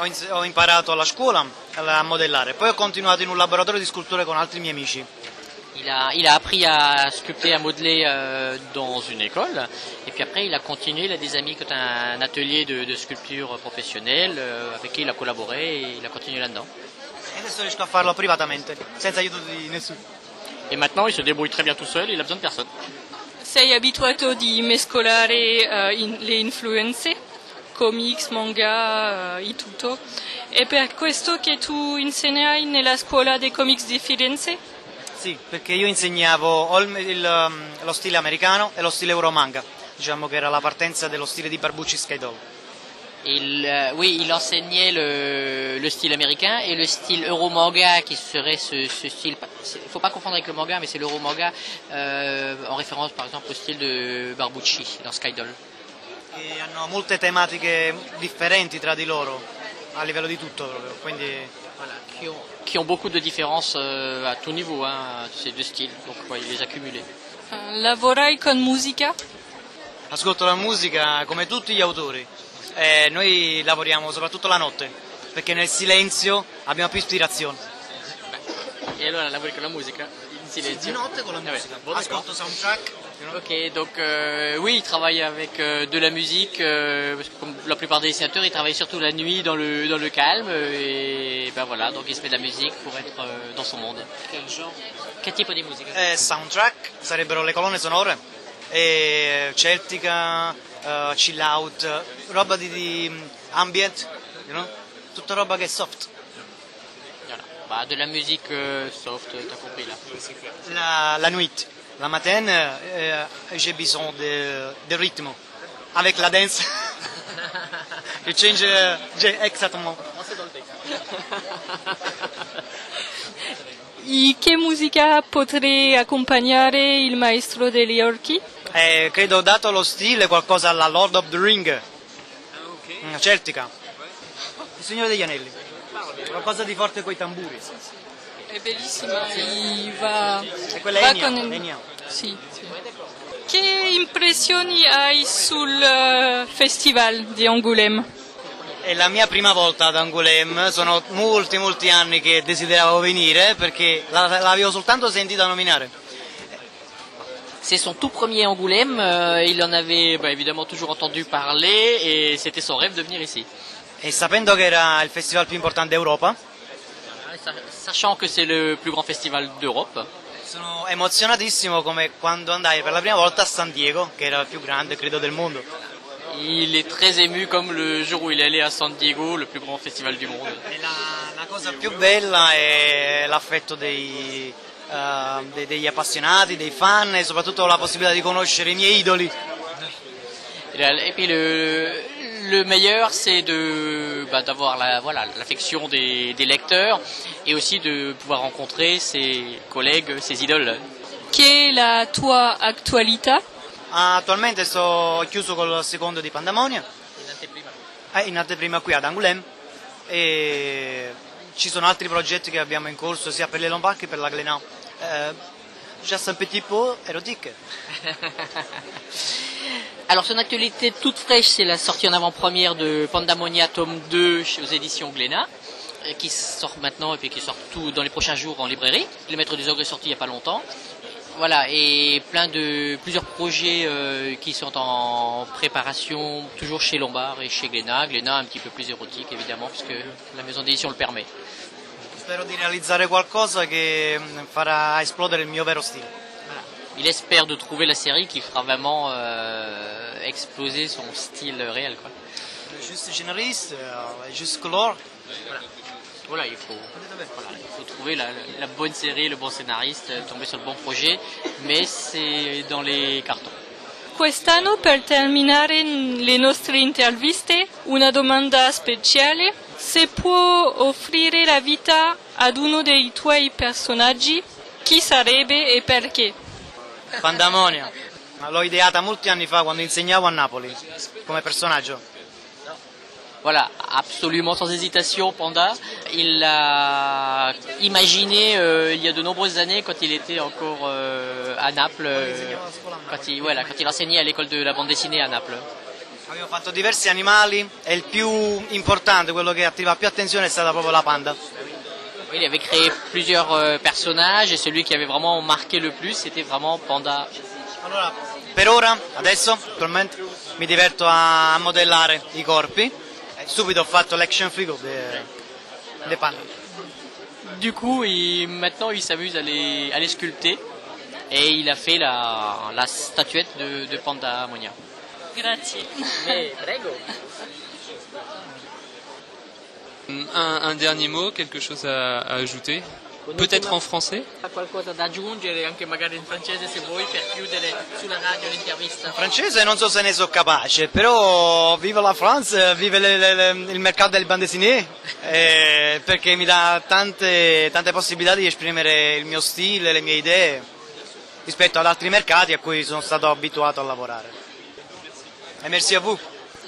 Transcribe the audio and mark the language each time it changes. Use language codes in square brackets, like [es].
[it] Ho imparato alla scuola a modellare, poi ho continuato in un laboratorio di sculture con altri miei amici. [fr] Il a appris à sculpter, à modeler dans une école, et puis après il a continué, il a des amis qui ont un atelier de sculpture professionnelle avec qui il a collaboré et il a continué là-dedans. Et maintenant, [it] riesco a farlo privatamente, senza aiuto di nessuno. [fr] Et maintenant, il se débrouille très bien tout seul, il a besoin de personne. [it] Sei abituato di mescolare le influenze, comics, manga e tutto. È per questo che tu insegnai nella scuola dei comics di Firenze? Sì, perché io insegnavo lo stile americano e lo stile euromanga, diciamo che era la partenza dello stile di Barbucci Sky Doll. [fr] Il insegnait le style américain et le style euromanga, qui serait ce style. Il ne faut pas confondre avec le manga, mais c'est l'euromanga en référence par exemple au style de Barbucci dans Sky Doll. Et ils ont beaucoup de thématiques différentes entre eux, à [it] livello di tutto proprio. Quindi... [fr] Voilà, qui ont beaucoup de différences à tout niveau, hein, ces deux styles. Donc ouais, il les accumulait. [it] Lavorai con musica? Ascolto la musica [fr] comme tous les auteurs. [it] Noi lavoriamo soprattutto la notte, perché nel silenzio abbiamo più ispirazione. E allora lavori con la musica? In silenzio? Sì, di notte con la musica. Vabbè, ascolto soundtrack. [fr] Ok, donc oui, il travaille avec de la musique, parce que comme la plupart des dessinateurs, il travaille surtout la nuit dans le calme, et ben voilà, donc il se met de la musique pour être dans son monde. Quel genre? Quel type de musique? [it] Soundtrack, sarebbero le colonne sonore, e celtica, chill out, roba di ambient, [en] you know? [it] Tutta roba che è soft. [fr] Voilà. Bah, de la musique soft, t'as compris là. La nuit. La matin, j'ai besoin de rythme, avec la danse. Je change exactement. Et quelle musique pourrait accompagner le maestro de Liorchi? [it] Credo, dato lo stile, qualcosa alla Lord of the Ring. Okay. Celtica. Il Signore degli Anelli. Qualcosa di forte con i tamburi. È bellissima. Va... E quella è va Enya. Con... Enya. Sì, sì. Che impressioni hai sul festival di Angoulême? È la mia prima volta ad Angoulême, sono molti molti anni che desideravo venire perché l'avevo soltanto sentita nominare. [fr] C'est son tout premier Angoulême, il en avait bah, évidemment toujours entendu parler et c'était son rêve de venir ici. [it] Et sapendo che era il festival [fr] le plus important d'Europe, sachant que c'est le plus grand festival d'Europe. [it] Sono emozionatissimo come quando andai per la prima volta a San Diego, che era il più grande, credo, del mondo. [fr] Il est très ému comme le jour où il est allé à San Diego, le plus grand festival du monde. [it] Et la cosa più bella è l'affetto degli appassionati, dei fan e soprattutto la possibilità di conoscere i miei idoli. [fr] Et puis le meilleur c'est de bah, d'avoir la voilà l'affection des lecteurs et aussi de pouvoir rencontrer ses collègues, ses idoles. Quelle est la [it] tua actualità? Attualmente sto chiuso col secondo di Pandemonia. In anteprima qui ad Angoulême e ci sono altri progetti che abbiamo in corso sia per le Lombard che per la Glénat. [fr] Just un petit peu érotique. Alors, son actualité toute fraîche, c'est la sortie en avant-première de Pandemonia tome 2 aux éditions Glénat, qui sort maintenant et puis qui sort tout dans les prochains jours en librairie. Le Maître des Ogres est sorti il n'y a pas longtemps. Voilà, et plusieurs projets qui sont en préparation, toujours chez Lombard et chez Glénat. Glénat, un petit peu plus érotique, évidemment, puisque la maison d'édition le permet. [it] Spero di realizzare qualcosa che farà esplodere il mio vero stile. [fr] Il espère de trouver la série qui fera vraiment exploser son style réel, quoi. Juste généraliste, juste color. Voilà, il faut trouver la bonne série, le bon scénariste, tomber sur le bon projet, mais c'est dans les cartons. [it] Quest'anno, per terminare le nostre interviste, una domanda speciale. Se può offrire la vita ad uno dei tuoi personaggi, chi sarebbe e perché? Pandemonia. L'ho ideata molti anni fa quando insegnavo a Napoli, come personaggio. [fr] Voilà, absolument sans hésitation, Panda. Il l'a imaginé il y a de nombreuses années quand il était encore à Naples, quand il enseignait à l'école de la bande dessinée à Naples. [it] Abbiamo fatto diversi animali e il più importante, quello che attiva più attenzione, è stata proprio la panda. [fr] Il avait créé plusieurs personnages et celui qui avait vraiment marqué le plus c'était vraiment Panda. [it] Allora, per ora, adesso, attualmente, mi diverto a modellare i corpi. Subito ho fatto l'action figure de Panda. [fr] Du coup, maintenant il s'amuse à les sculpter et il a fait la statuette de Panda Monia. [it] Grazie. Prego. [fr] Un dernier mot, quelque chose à ajouter, peut-être en français. [it] Qualcosa da aggiungere anche magari in francese se vuoi per chiudere sulla radio l'intervista. Francese non so se ne so capace, però [fr] vive la France, [it] vive il mercato del bande dessinée, perché mi dà tante possibilità di esprimere il mio stile, le mie idee rispetto ad altri mercati a cui sono stato abituato a lavorare. E merci a voi.